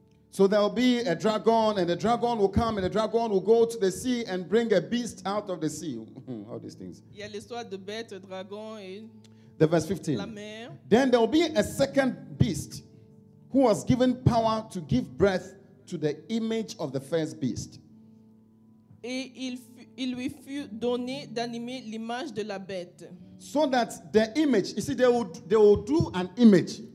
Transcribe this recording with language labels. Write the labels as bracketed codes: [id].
[en] So there will be a dragon, and the dragon will come, and the dragon will go to the sea and bring a beast out of the sea. All these things. [fr] Il y a l'histoire de bête, dragon et [en] the verse 15. [fr] La mer. [en] Then there will be a second beast who was given power to give breath to the image of the first beast. [fr] Et il lui fut donné d'animer l'image de la bête. [en] So that the image, you see, they will do an image.